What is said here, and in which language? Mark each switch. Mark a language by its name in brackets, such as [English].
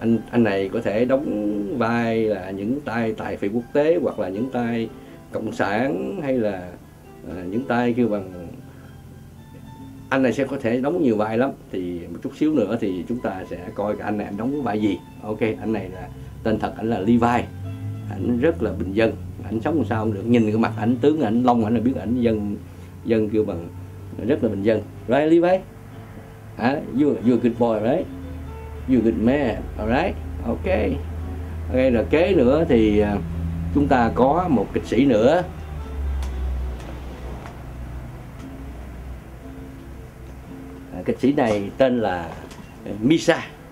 [Vietnamese] Anh này có thể đóng vai là những tay tài phiệt quốc tế, hoặc là những tay cộng sản, hay là những tay kêu bằng, anh này sẽ có thể đóng nhiều vai lắm. Thì một chút xíu nữa thì chúng ta sẽ coi anh này đóng vai gì. Ok, anh này là tên thật ảnh là Levi, ảnh rất là bình dân, ảnh sống sao không được, nhìn cái mặt ảnh, tướng ảnh long ảnh là biết ảnh dân kêu bằng rất là bình dân. [English] Right Levi, you're a good boy, right? You're a good man, alright, okay. [Vietnamese] Okay, rồi kế nữa thì chúng ta có một kịch sĩ nữa, kịch sĩ này tên là Misa.